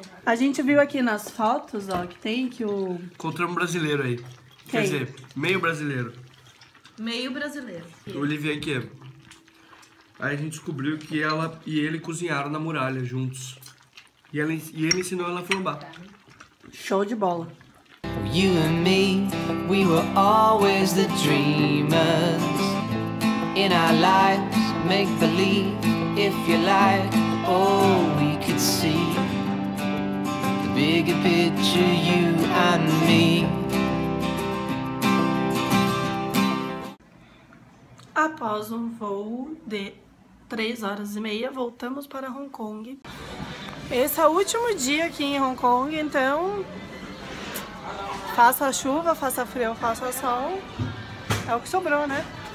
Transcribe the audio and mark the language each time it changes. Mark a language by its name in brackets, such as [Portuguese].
[Portuguese] A gente viu aqui nas fotos, ó, que tem que o... Encontramos um brasileiro aí. Quer dizer, meio brasileiro. Meio brasileiro. O Olivier aqui. Aí a gente descobriu que ela e ele cozinharam na muralha juntos. E ele ensinou ela a flambar. Show de bola. [English] You and me, we were always the dreamers. In our lives, make believe, if you like. Oh, we could see the bigger picture, you and me. [Portuguese] Após um voo de 3 horas e meia, voltamos para Hong Kong. Esse é o último dia aqui em Hong Kong, então faça chuva, faça frio, faça sol, é o que sobrou, né?